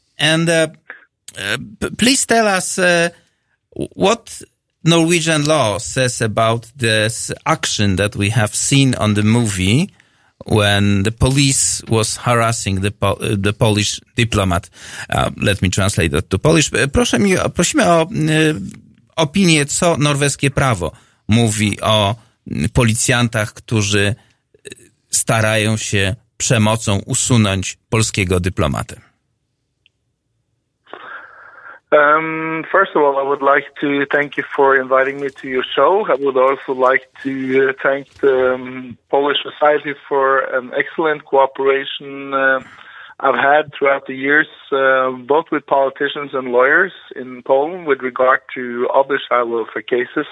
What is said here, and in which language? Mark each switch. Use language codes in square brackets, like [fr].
[en] And please tell us what Norwegian law says about this action that we have seen on the movie when the police was harassing the Polish diplomat. Let me translate that to Polish. [pl] Prosimy o... opinię, co norweskie prawo mówi o policjantach, którzy starają się przemocą usunąć polskiego dyplomatę. [en] First of all, I would like to thank you for inviting me to your show. I would also like to thank the Polish society for an excellent cooperation I've had throughout the years, both with politicians and lawyers in Poland with regard to other asylum officer cases.